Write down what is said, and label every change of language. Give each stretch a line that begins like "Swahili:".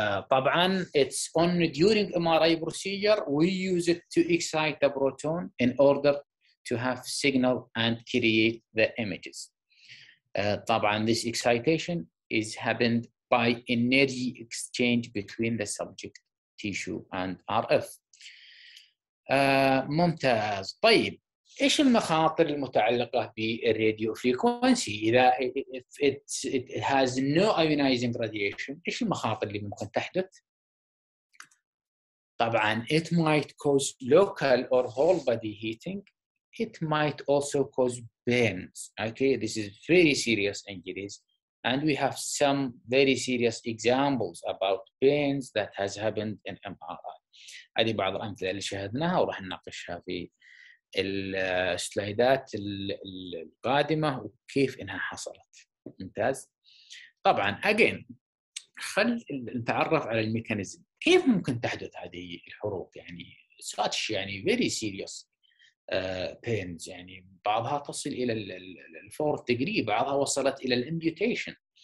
English: طبعاً, it's only during MRI procedure, we use it to excite the proton in order to have signal and create the images. طبعاً, this excitation is happened by energy exchange between the subject tissue and RF.
Arabic: ممتاز. طيب ايش المخاطر المتعلقة بالراديو فريكونسي اذا
English: it has no ionizing radiation؟
Arabic: ايش المخاطر اللي ممكن تحدث؟ طبعا
English: it might cause local or whole body heating. It might also cause burns. Okay, this is very serious injuries. And we have some very serious examples about pains that has happened in MRI.
Arabic: هذه بعض الأمثلة اللي شاهدناها وراح نناقشها في السلايدات القادمة وكيف إنها حصلت. ممتاز. طبعا again خل نتعرف على الميكانيزم, كيف ممكن تحدث هذه الحروق, يعني such يعني
English: very serious pains,
Arabic: يعني بعضها تصل إلى الفور تجري, بعضها وصلت إلى الامبيوتيشن.